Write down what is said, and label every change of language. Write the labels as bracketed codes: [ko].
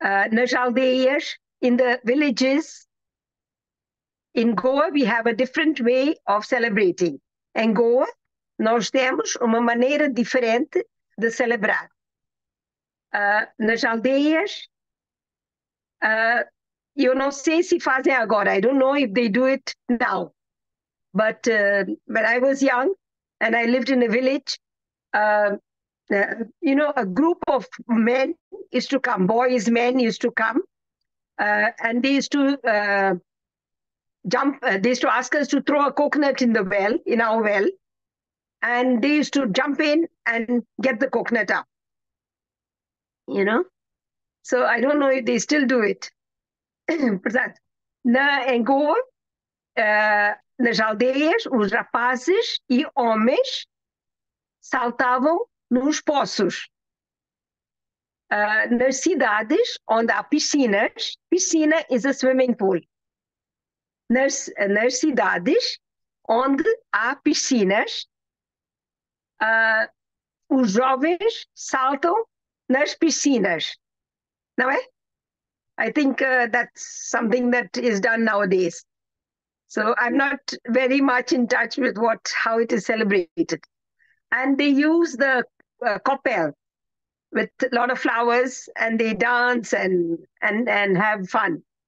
[pt] Nas aldeias, [en] in the villages, in Goa, we have a different way of celebrating. [pt] Em Goa, nós temos uma maneira diferente de celebrar. Nas aldeias, eu não sei se fazem agora. [en] I don't know if they do it now. But I was young and I lived in a village. You know, a group of men used to come, boys, men used to come, and they used to jump, they used to ask us to throw a coconut in the well, in our well. And they used to jump in and get the coconut up. You know? So I don't know if they still do it. [pt] Portanto, em Goa, nas aldeias, os rapazes e homens saltavam nos poços. Nas cidades, onde há piscinas, piscina [en] is a swimming pool. [pt] Nas cidades onde há piscinas, os jovens saltam nas piscinas, não é? [en] I think that's something that is done nowadays. So I'm not very much in touch with what how it is celebrated. And they use the kopel with a lot of flowers, and they dance and have fun.